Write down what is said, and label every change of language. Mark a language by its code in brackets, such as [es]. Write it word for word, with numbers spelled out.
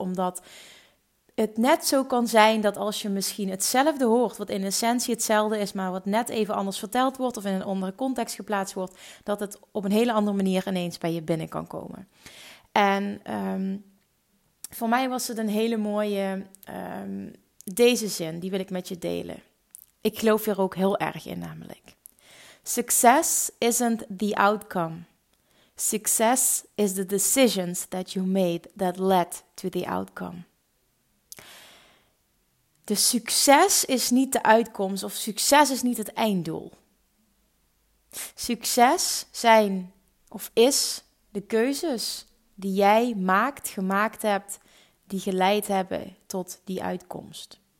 [nl] Omdat het net zo kan zijn dat als je misschien hetzelfde hoort, wat in essentie hetzelfde is, maar wat net even anders verteld wordt of in een andere context geplaatst wordt, dat het op een hele andere manier ineens bij je binnen kan komen. En um, voor mij was het een hele mooie, um, deze zin, die wil ik met je delen. Ik geloof hier ook heel erg in namelijk. [en] Success isn't the outcome. Success is the decisions that you made that led to the outcome. [nl] Dus succes is niet de uitkomst of succes is niet het einddoel. Succes zijn of is de keuzes die jij maakt, gemaakt hebt, die geleid hebben tot die uitkomst.